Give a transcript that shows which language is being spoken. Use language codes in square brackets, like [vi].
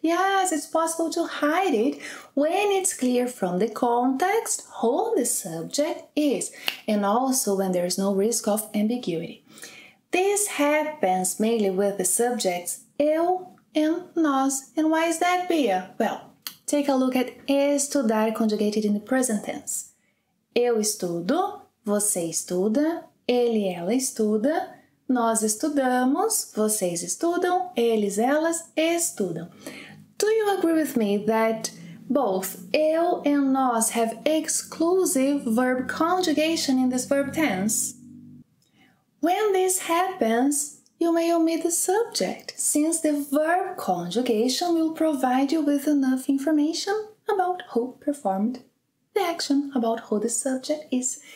[en] Yes, it's possible to hide it when it's clear from the context who the subject is, and also when there is no risk of ambiguity. This happens mainly with the subjects eu and nós. And why is that, Bia? Well, take a look at estudar conjugated in the present tense. [pt] Eu estudo, você estuda, ele, ela estuda. Nós estudamos, vocês estudam, eles, elas estudam. [en] Do you agree with me that both eu and nós have exclusive verb conjugation in this verb tense? When this happens, you may omit the subject, since the verb conjugation will provide you with enough information about who performed the action, about who the subject is.